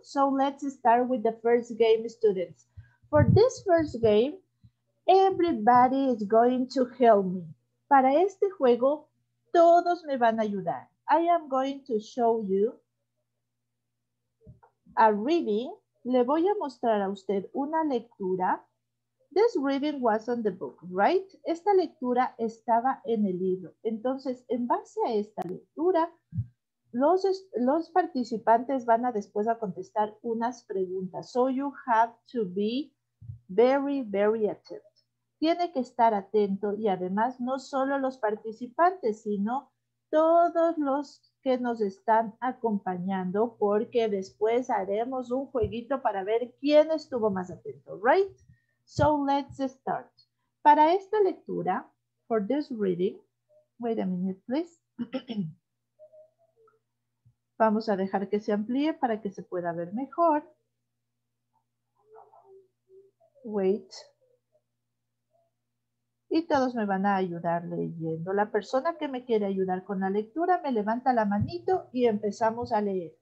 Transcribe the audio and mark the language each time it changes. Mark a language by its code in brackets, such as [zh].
[en] So let's start with the first game, students. For this first game, everybody is going to help me. [es] Para este juego, todos me van a ayudar. [en] I am going to show you a reading. [es] Le voy a mostrar a usted una lectura. [en] This reading was on the book, right? [es] Esta lectura estaba en el libro. Entonces, en base a esta lectura, los participantes van a después a contestar unas preguntas. [en] So you have to be very, very attentive. [es] Tiene que estar atento y además no solo los participantes, sino todos los que nos están acompañando, porque después haremos un jueguito para ver quién estuvo más atento, right? [en] So let's start. [es] Para esta lectura, [en] for this reading, wait a minute, please. [es] Vamos a dejar que se amplíe para que se pueda ver mejor. [en] Wait. [es] Y todos me van a ayudar leyendo. La persona que me quiere ayudar con la lectura me levanta la manito y empezamos a leer.